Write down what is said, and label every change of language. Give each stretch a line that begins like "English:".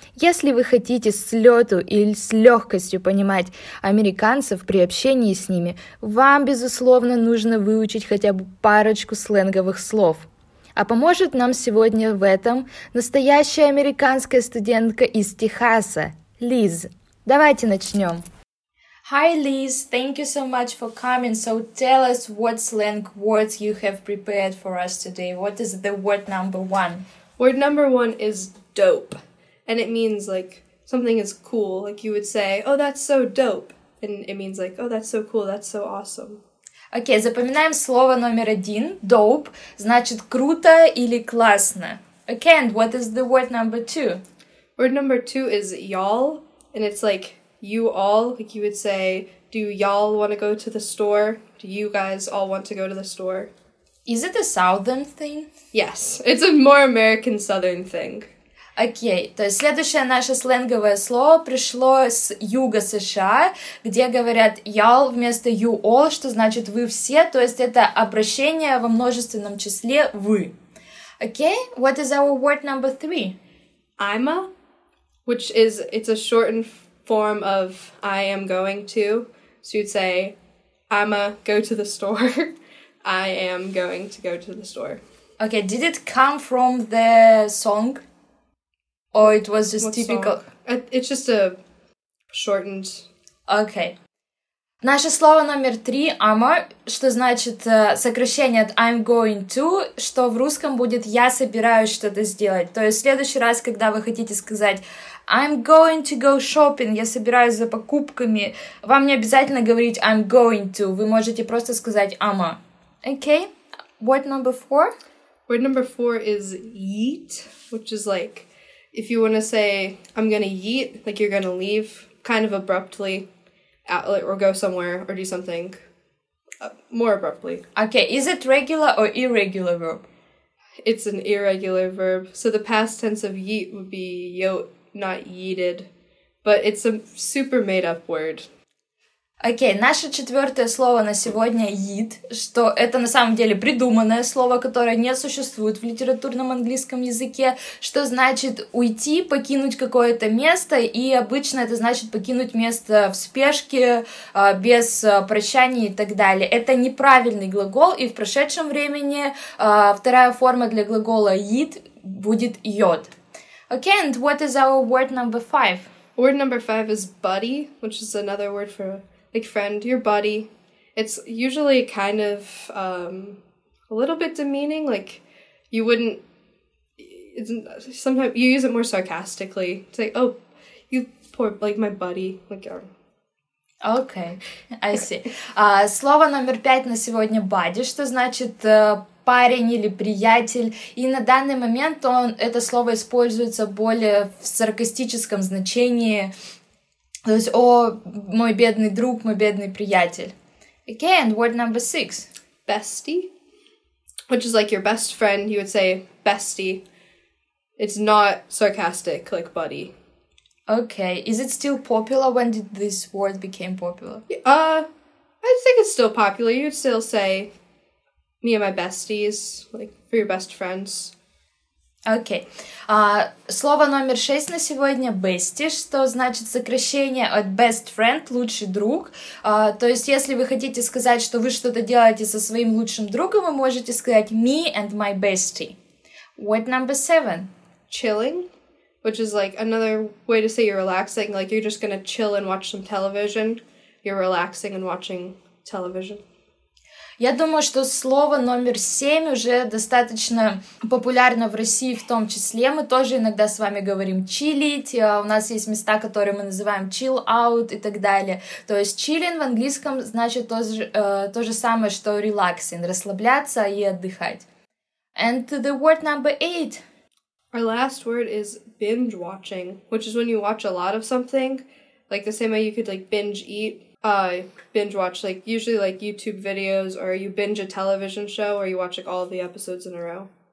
Russian: Если вы хотите с лету или с легкостью понимать американцев при общении с ними, вам, безусловно, нужно выучить хотя бы парочку сленговых слов. А поможет нам сегодня в этом настоящая американская студентка из Техаса, Лиз. Давайте начнем.
English: Hi, Liz. Thank you so much for coming. So tell us what slang words you have prepared for us today. What is the word number one? Word number one is dope. And it means like something is cool. Like you would say, oh, that's so dope. And it means like, oh, that's so cool. That's so awesome.
Russian: Окей, запоминаем слово номер один. Dope значит круто или классно.
English: Okay, and what is the word number two? Word number two is y'all. And it's like you all. Like you would say, do y'all want to go to the store? Do you guys all want to go to the store? Is it a southern thing? Yes, it's a more American southern thing.
Russian: Окей, то есть следующее наше сленговое слово пришло с юга США, где говорят y'all вместо you all, что значит вы все, то есть это обращение во множественном числе вы.
English: Окей, what is our word number three? I'ma, which is, it's a shortened form of I am going to, so you'd say I'ma go to the store, I am going to go to the store. Окей, did it come from the song? Or it was just what typical? Song? It's just a shortened... Okay.
Russian: Наше слово номер три, ама, что значит сокращение от
English: I'm going to,
Russian: что в русском будет я собираюсь что-то сделать. То есть в следующий раз, когда вы хотите сказать
English: I'm going to go shopping,
Russian: я собираюсь за покупками, вам не обязательно говорить
English: I'm going to,
Russian: вы можете просто сказать ама.
English: Okay. Word number four? Word number four is yeet, which is like... If you want to say, I'm going to yeet, like you're going to leave kind of abruptly or go somewhere or do something more abruptly. Okay, is it regular or irregular verb? It's an irregular verb. So the past tense of yeet would be yoat, not yeeted. But it's a super made up word.
Russian: Окей, наше четвертое слово на сегодня yeet, что это на самом деле придуманное слово, которое не существует в литературном английском языке, что значит уйти, покинуть какое-то место, и обычно это значит покинуть место в спешке, без прощания и так далее. Это неправильный глагол, и в прошедшем времени вторая форма для глагола yeet будет yod.
English: Окей, and what is our word number five? Word number five is buddy, which is another word for... Like friend, your buddy. It's usually kind of a little bit demeaning. Like you wouldn't. It's, sometimes you use it more sarcastically. It's like, oh, you poor, like my buddy. Like, oh. Okay, I see.
Russian: Слово номер пять на сегодня buddy, что значит. Парень или приятель, и на данный момент он это слово используется более в саркастическом значении. То есть, о, мой бедный друг, мой бедный приятель.
English: Okay, and word number six. Bestie, which is like your best friend, you would say bestie. It's not sarcastic, like buddy. Okay, is it still popular? When did this word became popular? I think it's still popular. You would still say me and my besties, like for your best friends.
Russian: Окей. Слово номер шесть на сегодня – bestie, что значит сокращение от best friend – лучший друг. То есть, если вы хотите сказать, что вы что-то делаете со своим лучшим другом, вы можете сказать
English: me and my bestie. What number seven? Chilling, which is like another way to say you're relaxing, like you're just gonna chill and watch some television. You're relaxing and watching television.
Russian: Я думаю, что слово номер семь уже достаточно популярно в России в том числе. Мы тоже иногда с вами говорим «чилить», у нас есть места, которые мы называем «chill out» и так далее. То есть «chilling» в английском значит то же самое, что «relaxing» — расслабляться и отдыхать.
English: And to the word number eight. Our last word is «binge-watching», which is when you watch a lot of something, like the same way you could like «binge-eat». Binge watch, like usually like YouTube videos, or you binge a television show, or you watch like all the episodes in a row.